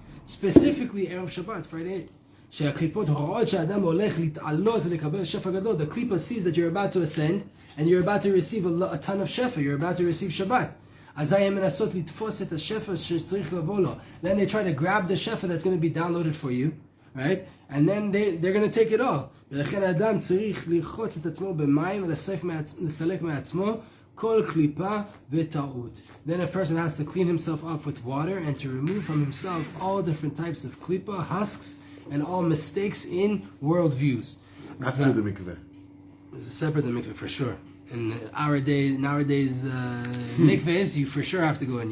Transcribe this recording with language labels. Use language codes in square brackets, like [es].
[en] specifically Erev Shabbat, Friday night. [he] שהקליפות הוראות שהאדם הולך להתעלות ולקבל שפע גדול. [en] The clipa sees that you're about to ascend and you're about to receive a ton of shefa. You're about to receive Shabbat. [he] אזי הם מנסות לתפוס את השפע שצריך לבוא לו. [en] Then they try to grab the shefa that's going to be downloaded for you, right? And then they're going to take it all. [he] ולכן האדם צריך לרחוץ את עצמו במים ולסלק מעצמו כל קליפה וטעות. [en] Then a person has to clean himself off with water and to remove from himself all different types of klipa, husks, and all mistakes in world views. After the mikveh. It's separate the mikveh, for sure. In our days, mikvehs, you for sure have to go in.